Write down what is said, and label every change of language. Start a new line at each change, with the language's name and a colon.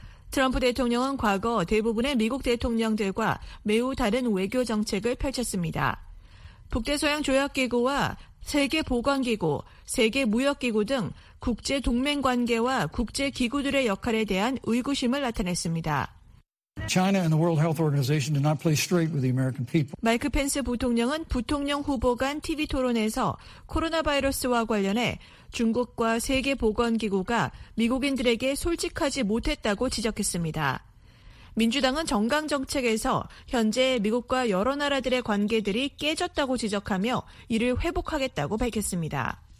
Korean: 트럼프 대통령은 과거 대부분의 미국 대통령들과 매우 다른 외교 정책을 펼쳤습니다. 북대서양 조약기구와 세계보건기구, 세계무역기구 등 국제동맹관계와 국제기구들의 역할에 대한 의구심을 나타냈습니다.
English: China and the World Health Organization did not play straight with the American people.
Korean: 마이크 펜스 부통령은 부통령 후보 간 TV 토론에서 코로나 바이러스와 관련해 중국과 세계보건기구가 미국인들에게 솔직하지 못했다고 지적했습니다. 민주당은 정강 정책에서 현재 미국과 여러 나라들의 관계들이 깨졌다고 지적하며 이를 회복하겠다고 밝혔습니다.